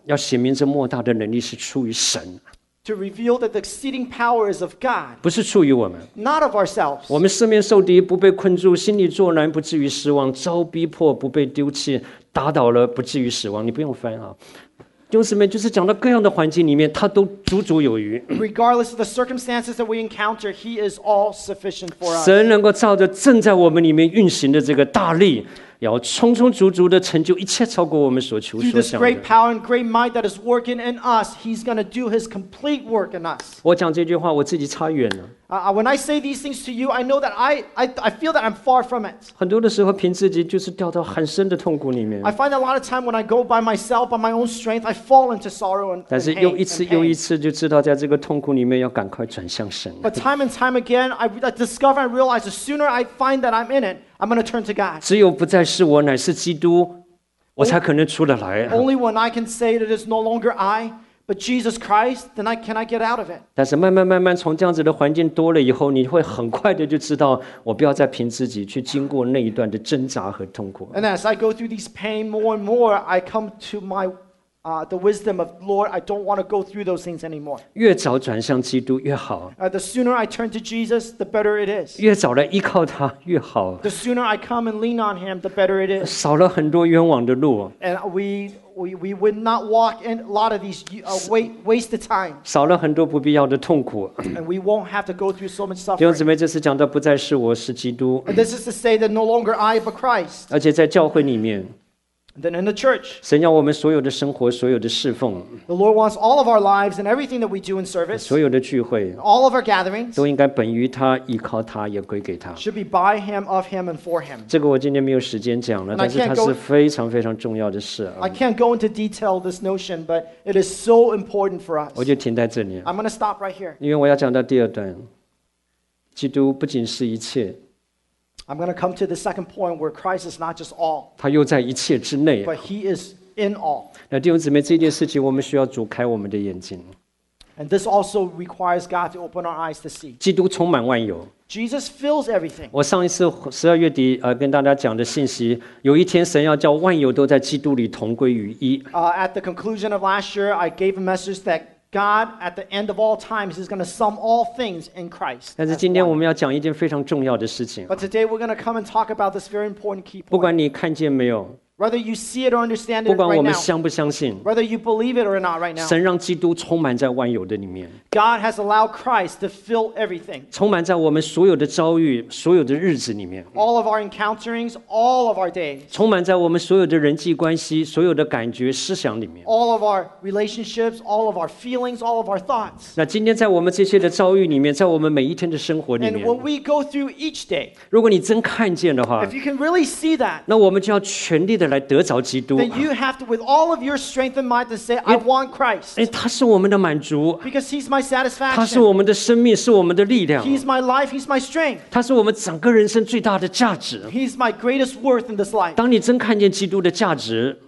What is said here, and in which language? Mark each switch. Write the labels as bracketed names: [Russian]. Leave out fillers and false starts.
[Chinese] 要显明这莫大的能力是出于神。 [English] To reveal that the exceeding power is of God. [Chinese] 不是出于我们。 [English] Not of ourselves. [Chinese] 我们四面受敌，不被困住，心里作难，不至于失望，遭逼迫，不被丢弃，打倒了，不至于死亡。你不用翻啊。弟兄姊妹，就是讲到各样的环境里面，他都足足有余。 [English] Regardless of the circumstances that we encounter, He is all sufficient for us. [Chinese] 神能够照着正在我们里面运行的这个大力，要充充足足的成就一切超过我们所求所想的。 [English] Through this great power and great might that is working in us, He's going to do His complete work in us. [Chinese] 我讲这句话，我自己差远了。 [English] When I say these things to you, I know that I feel that I'm far from it. [Chinese] 很多的时候凭自己就是掉到很深的痛苦里面。 [English] I find a lot of time when I go by myself, by my own strength, I fall into sorrow and pain. [Chinese] 但是又一次又一次就知道在这个痛苦里面要赶快转向神。 [English] But time and time again, I discover and realize the sooner I find that I'm in it, I'm going to turn to God. [Chinese] 只有不再是我乃是基督，我才可能出得来。 [English] Only when I can say that it is no longer I,But Jesus Christ, then I can I get out of it? [Chinese] 但是慢慢慢慢从这样子的环境多了以后，你会很快的就知道，我不要再凭自己去经过那一段的挣扎和痛苦。 [English] And as I go through these pain more and more, I come to my, the wisdom of Lord. I don't want to go through those things anymore. [Chinese] 越早转向基督越好。 [English] The sooner I turn to Jesus, the better it is. [Chinese] 越早来依靠他越好。 [English] The sooner I come and lean on Him, the better it is. [Chinese] 少了很多冤枉的路。 [English] And we would not walk in a lot of these wasted time. [Chinese] 少了很多不必要的痛苦。 [English] And we won't have to go through so much suffering. [Chinese] 弟兄姊妹，这是讲到不再是我，是基督。 [English] And this is to say that no longer I, but Christ. [Chinese] 而且在教会里面。 [English] Then in the church. [Chinese] 神要我们所有的生活，所有的侍奉。 [English] The Lord wants all of our lives and everything that we do in service. [Chinese] 所有的聚会。 [English] All of our gatherings. [Chinese] 都应该本于他，依靠他，也归给他。 [English] Should be by him, of him, and for him. [Chinese] 这个我今天没有时间讲了，但是它是非常非常重要的事。 [English] I can't go into detail this notion, but it is so important for us. [Chinese] 我就停在这里。 [English] I'm going to stop right here. [Chinese] 因为我要讲到第二段，基督不仅是一切。 [English] I'm going to come to the second point where Christ is not just all. [Chinese] 他又在一切之内。 [English] But he is in all. [Chinese] 那弟兄姊妹，这件事情我们需要主开我们的眼睛。 [English] And this also requires God to open our eyes to see. [Chinese] 基督充满万有。 [English] Jesus fills everything. [Chinese] 我上一次十二月底跟大家讲的信息，有一天神要叫万有都在基督里同归于一。 [English] At the conclusion of last year, I gave a message that God, at the end of all times, is going to sum all things in Christ. [Chinese] 但是今天我们要讲一件非常重要的事情。 [English] But today we're going to come and talk about this very important key point. [Chinese] 不管你看见没有。 [English] Whether you see it or understand it right now. [Chinese] 不管我们相不相信。 [English] Whether you believe it or not right now. [Chinese] 神让基督充满在万有的里面。 [English] God has allowed Christ to fill everything. [Chinese] 充满在我们所有的遭遇，所有的日子里面。 [English] All of our encounterings, all of our days. [Chinese] 充满在我们所有的人际关系，所有的感觉、思想里面。 [English] All of our relationships, all of our feelings, all of our thoughts. [Chinese] 那今天在我们这些的遭遇里面，在我们每一天的生活里面。 [English] And when we go through each day. [Chinese] 如果你真看见的话。 [English] If you can really see that. [Chinese] 那我们就要全力的来得着基督。 [English] Then you have to, with all of your strength and might, to say, I want Christ. [Chinese] 因为他是我们的满足。 [English] Because he's my [Chinese] 他是我们的生命，是我们的力量。 [English] He's my life, he's my strength. [Chinese] 他是我们整个人生最大的价值。 [English] He's my greatest worth in this life. [Chinese] 当你真看见基督的价值。